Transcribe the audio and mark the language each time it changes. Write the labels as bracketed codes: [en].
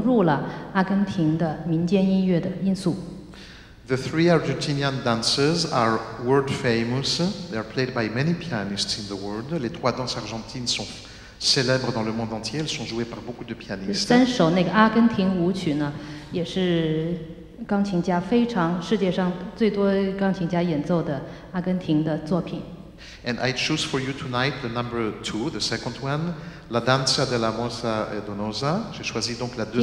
[zh] 就像我们今天晚上演奏的其他作曲家的作品一样，他在就是很古典的音乐当中也融入了阿根廷的民间音乐的因素。 [en] The three Argentinian dancers are world famous. They are played by many pianists in the world. [fr] Les trois danses argentines sont célèbres dans le monde entier, elles sont jouées par beaucoup de pianistes. [zh] 三首那个阿根廷舞曲呢，也是钢琴家非常世界上最多钢琴家演奏的阿根廷的作品。 [en] And I choose for you tonight the number two, the second one, La Danza de la Moza Donosa. [fr] J'ai choisi donc la deuxième.